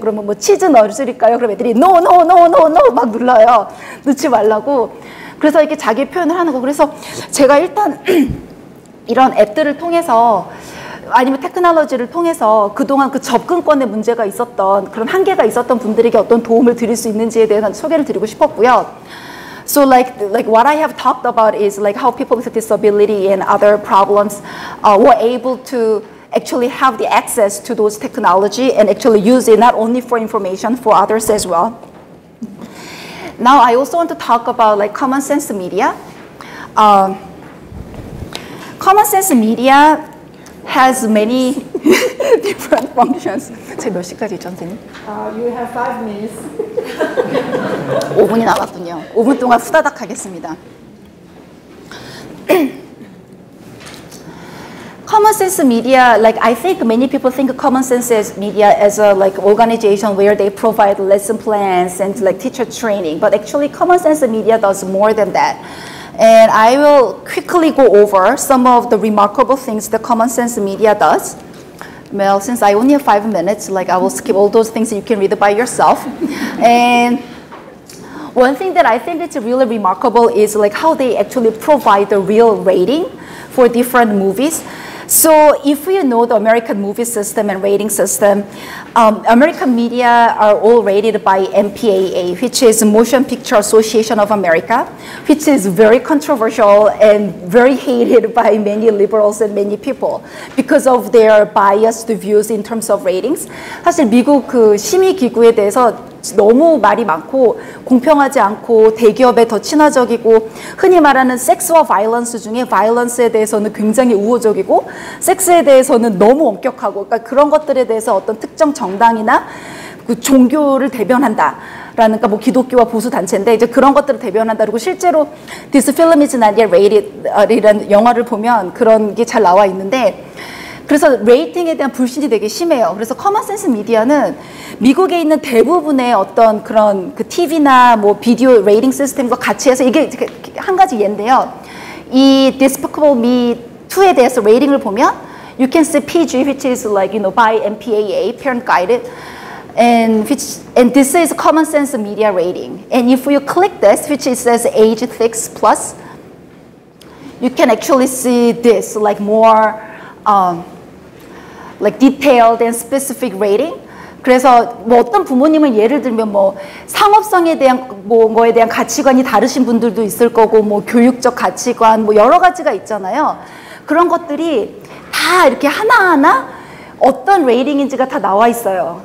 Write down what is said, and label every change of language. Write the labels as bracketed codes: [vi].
[ko] 그러면 뭐 치즈 넣으실까요? 그럼 애들이 노, 노, 노, 노, 노 막 눌러요. 넣지 말라고. 그래서 이렇게 자기 표현을 하는 거. 그래서 제가 일단 이런 앱들을 통해서 아니면 테크놀로지를 통해서 그동안 그 접근권의 문제가 있었던 그런 한계가 있었던 분들에게 어떤 도움을 드릴 수 있는지에 대한 소개를 드리고 싶었고요. [en] So like what I have talked about is like how people with disability and other problems were able to actually have the access to those technology and actually use it not only for information, for others as well. Now I also want to talk about like common sense media. Common sense media has many different functions. [ko] 지금 몇 시까지 있죠, 선생님? [en] You have 5 minutes. [ko] 5분이 남았군요. 5분 동안 후다닥 하겠습니다. [en] Common sense media, like I think many people think of common sense as media as a like organization where they provide lesson plans and like teacher training. But actually, common sense media does more than that. And I will quickly go over some of the remarkable things that common sense media does. Well, since I only have 5 minutes, like I will skip all those things that you can read by yourself. And one thing that I think it's really remarkable is like how they actually provide the real rating for different movies. So if you know the American movie system and rating system, American media are all rated by MPAA, which is Motion Picture Association of America, which is very controversial and very hated by many liberals and many people because of their biased views in terms of ratings. [ko] 사실 미국 그 심의 기구에 대해서 너무 말이 많고 공평하지 않고 대기업에 더 친화적이고 흔히 말하는 섹스와 바이런스 중에 바이런스에 대해서는 굉장히 우호적이고 섹스에 대해서는 너무 엄격하고 그러니까 그런 것들에 대해서 어떤 특정 정당이나 그 종교를 대변한다라는 그러니까 뭐 기독교와 보수 단체인데 이제 그런 것들을 대변한다 그리고 실제로 This Film Is Not Yet Rated이라는 영화를 보면 그런 게 잘 나와 있는데 그래서 레이팅에 대한 불신이 되게 심해요. 그래서 커먼 센스 미디어는 미국에 있는 대부분의 어떤 그런 그 TV나 뭐 비디오 레이팅 시스템과 같이 해서 이게 한 가지 예인데요. 이 Despicable Me 2에 대해서 레이팅을 보면 [en] You can see PG which is like you know by MPAA parent guided and which and this is common sense media rating. And if you click this which it says age 6 plus you can actually see this like more like detailed and specific rating. [ko] 그래서 뭐 어떤 부모님은 예를 들면 뭐 상업성에 대한 뭐에 대한 가치관이 다르신 분들도 있을 거고 뭐 교육적 가치관 뭐 여러 가지가 있잖아요. 그런 것들이 다 이렇게 하나하나 어떤 레이팅인지가 다 나와 있어요.